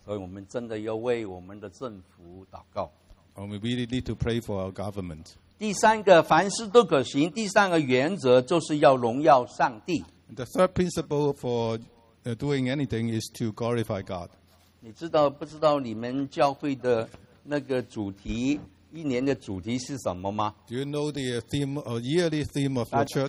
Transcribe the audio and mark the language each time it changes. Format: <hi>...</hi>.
<zh>所以我们真的要为我们的政府祷告。</zh> <en>And we really need to pray for our government.</en> <zh>第三个，凡事都可行。第三个原则就是要荣耀上帝。</zh> <en>The third principle for doing anything is to glorify God.</en> <zh>你知道不知道你们教会的那个主题，一年的主题是什么吗？</zh> <en>Do you know the theme or yearly theme of your church?</en>